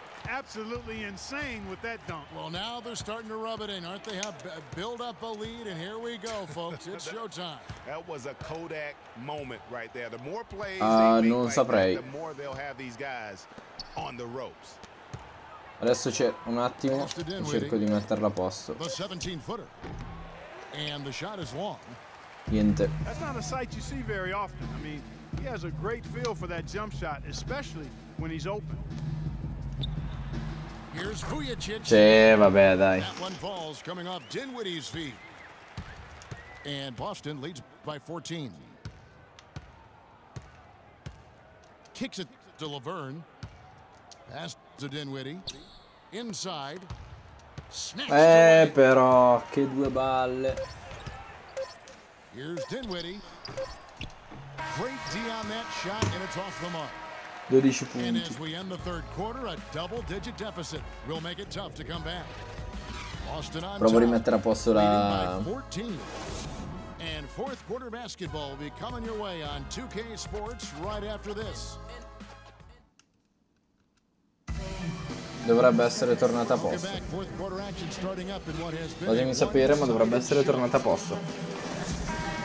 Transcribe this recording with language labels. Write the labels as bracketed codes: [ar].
[en] Absolutely insane with that dunk. Well, now they're starting to rub it in, aren't they? Have build up a lead, and here we go, folks. It's showtime. That was a Kodak moment right there. The more plays, [it] non saprei. [en] The more they'll have these guys on the ropes. [it] Adesso c'è un attimo, cerco di metterla a posto. [en] The 17 footer, and the shot is long. [it] Niente. [en] That's not a sight you see very often. I mean, he has a great feel for that jump shot, especially when he's open. Here's Vujicic. [it] Vabbè, dai. [en] That one falls coming off Dinwiddie's feet. And Boston leads by 14. Kicks it to Laverne. Pass to Dinwiddie. Inside. [it] Però, che due balle. [en] Here's Dinwiddie. Great D on that shot, and it's off the mark. [it] 12 punti. [en] And as we end the third quarter, a double digit deficit will make it tough to come back. Boston on [it] provo a rimettere a posto la [en] 14. And fourth quarter basketball will be coming your way on 2K Sports right after this. [it] Dovrebbe essere tornata a posto. Fatemi sapere, ma dovrebbe essere tornata a posto.